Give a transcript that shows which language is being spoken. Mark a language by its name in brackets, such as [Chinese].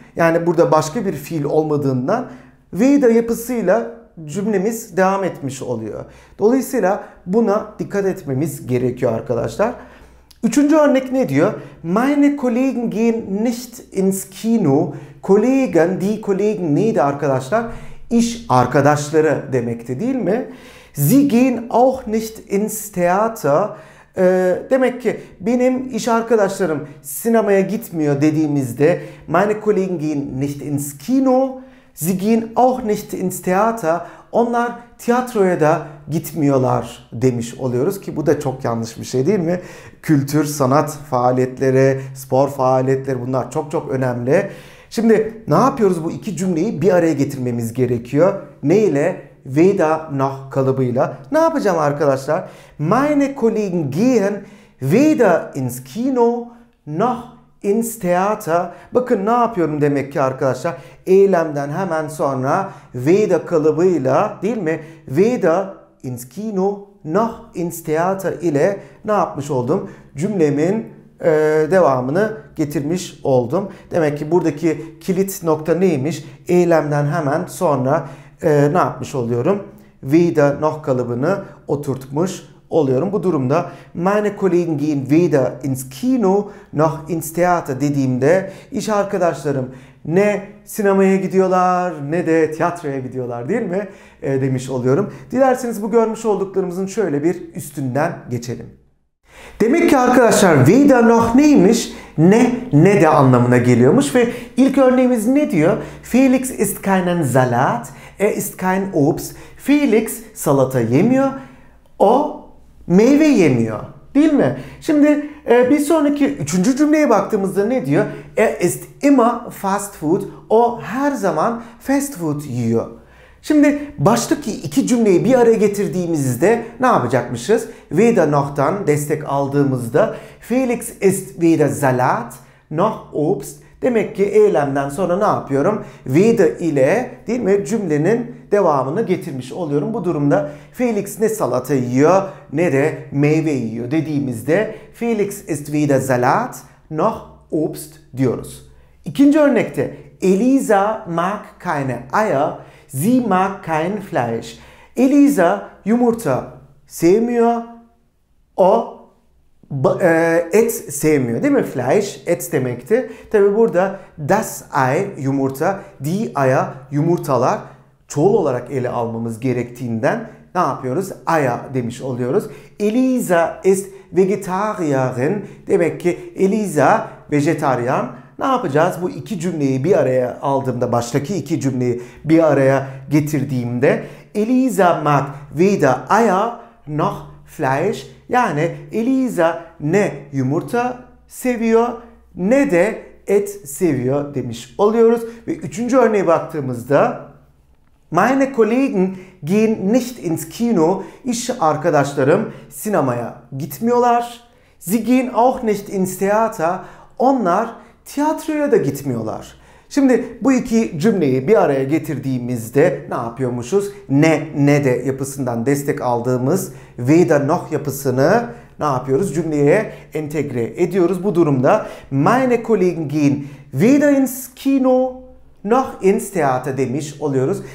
[Turkish] Yani burada başka bir fiil olmadığından weder yapısıyla cümlemiz devam etmiş oluyor. Dolayısıyla buna dikkat etmemiz gerekiyor arkadaşlar. Üçüncü örnek ne diyor? [German] Meine Kollegen gehen nicht ins Kino. [Turkish] Kollegen, die Kollegen neydi arkadaşlar? İş arkadaşları demekti değil mi? [German] Sie gehen auch nicht ins Theater. [Turkish] Demek ki benim iş arkadaşlarım sinemaya gitmiyor dediğimizde [German] meine Kollegen gehen nicht ins Kino. Sie gehen auch nicht ins Theater. [Turkish] Onlar tiyatroya da gitmiyorlar demiş oluyoruz ki bu da çok yanlış bir şey değil mi? Kültür, sanat faaliyetleri, spor faaliyetleri bunlar çok çok önemli. Şimdi ne yapıyoruz bu iki cümleyi bir araya getirmemiz gerekiyor. Ne ile? Weder noch kalıbıyla. Ne yapacağım arkadaşlar? [German] Meine Kollegen gehen weder ins Kino noch ins Theater. [Turkish] Bakın ne yapıyorum demek ki arkadaşlar. Eylemden hemen sonra Veda kalıbıyla, değil mi? Veda [German] ins Kino, nach ins Theater [Turkish] ile ne yapmış oldum? Cümlemin devamını getirmiş oldum. Demek ki buradaki kilit nokta neymiş? Eylemden hemen sonra ne yapmış oluyorum? Veda noch kalıbını oturtmuş oluyorum. Bu durumda [German] meine Kollegen gehen weder ins Kino noch ins Theater [Turkish] dediğimde iş arkadaşlarım ne sinemaya gidiyorlar ne de tiyatroya gidiyorlar, değil mi? Demiş oluyorum. Dilerseniz bu görmüş olduklarımızın şöyle bir üstünden geçelim. Demek ki arkadaşlar weder noch neymiş? Ne de anlamına geliyormuş ve ilk örneğimiz ne diyor? [German] Felix ist keinen Salat, er ist kein Obst. [Turkish] Felix salata yemiyor, o meyve yemiyor, değil mi? Şimdi bir sonraki üçüncü cümleye baktığımızda ne diyor? [German] Er ist immer fast food, [Turkish] o her zaman fast food yiyor. Şimdi baştaki iki cümleyi bir araya getirdiğimizde ne yapacakmışız? Weder noch'tan destek aldığımızda [German] Felix ist weder Salat noch Obst. [Turkish] Demek ki eylemden sonra ne yapıyorum? Weder ile, değil mi, cümlenin devamını getirmiş oluyorum. Bu durumda Felix ne salata yiyor ne de meyve yiyor dediğimizde [German] Felix ist weder Salat noch Obst [Turkish] diyoruz. İkinci örnekte [German] Elisa mag keine Eier. Sie mag kein Fleisch. [Turkish] Elisa yumurta sevmiyor. O et sevmiyor, değil mi? Fleisch et demekti. Tabi burada das Ei yumurta, die Eier yumurtalar çoğul olarak ele almamız gerektiğinden ne yapıyoruz? Eier demiş oluyoruz. [German] Elisa ist Vegetarierin. [Turkish] Demek ki Elisa vejetaryen. Ne yapacağız? Bu iki cümleyi bir araya aldığımda, baştaki iki cümleyi bir araya getirdiğimde [German] Elisa mag weder Eier noch Fleisch. [Turkish] Yani Elisa ne yumurta seviyor ne de et seviyor demiş oluyoruz. Ve üçüncü örneğe baktığımızda [German] Meine Kollegen gehen nicht ins Kino. [Turkish] İş arkadaşlarım sinemaya gitmiyorlar. [German] Sie gehen auch nicht ins Theater. [Turkish] Onlar tiyatroya da gitmiyorlar. Şimdi bu iki cümleyi bir araya getirdiğimizde ne yapıyormuşuz? Ne de yapısından destek aldığımız weder noch yapısını ne yapıyoruz? Cümleye entegre ediyoruz. Bu durumda [German] meine Kollegen gehen weder ins Kino noch ins Theater [Turkish] demiş oluyoruz.